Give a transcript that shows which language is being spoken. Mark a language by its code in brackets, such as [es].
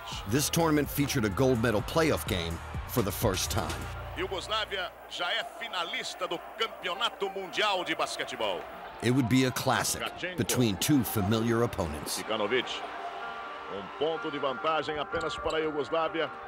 [en] This tournament featured a gold medal playoff game for the first time. [pt] Jugoslavia já é finalista do Campeonato Mundial de Basquetebol. [en] It would be a classic between two familiar opponents. [pt] Kikanovic, ponto de vantagem apenas para a Jugoslavia.